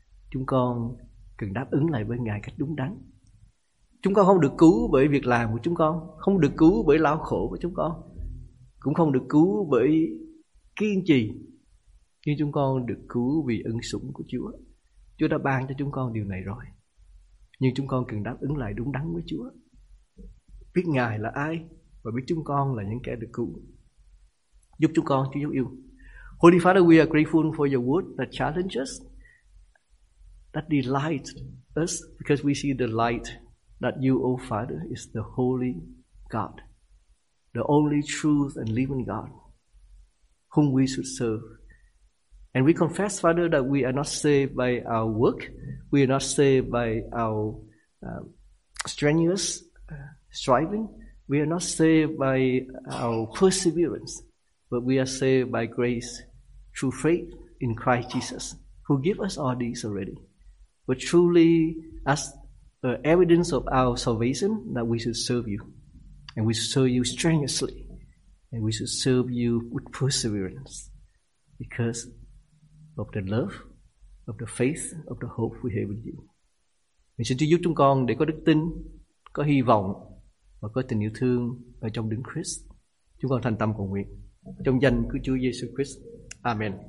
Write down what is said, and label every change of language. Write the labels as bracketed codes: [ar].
[vi] Chúng con cần đáp ứng lại với Ngài cách đúng đắn. Chúng con không được cứu bởi việc làm của chúng con, không được cứu bởi lao khổ của chúng con, cũng không được cứu bởi kiên trì, nhưng chúng con được cứu vì ân sủng của Chúa. Chúa đã ban cho chúng con điều này rồi, nhưng chúng con cần đáp ứng lại đúng đắn với Chúa, biết Ngài là ai và biết chúng con là những kẻ được cứu. Giúp chúng con, Chúa yêu. [en] Holy Father, we are grateful for your word that challenges us, that delights us, because we see the light that you, O Father, is the holy God, the only truth and living God, whom we should serve. And we confess, Father, that we are not saved by our work, we are not saved by our strenuous striving, we are not saved by our perseverance, but we are saved by grace through faith in Christ Jesus, who gives us all these already. But truly, as evidence of our salvation, that we should serve you. And we serve you strenuously. And we should serve you with perseverance because of the love, of the faith, of the hope we have in you. [vi] Mình xin Chúa giúp chúng con để có đức tin, có hy vọng và có tình yêu thương ở trong Đấng Christ. Chúng con thành tâm cầu nguyện trong danh của Chúa Jesus Christ. Amen.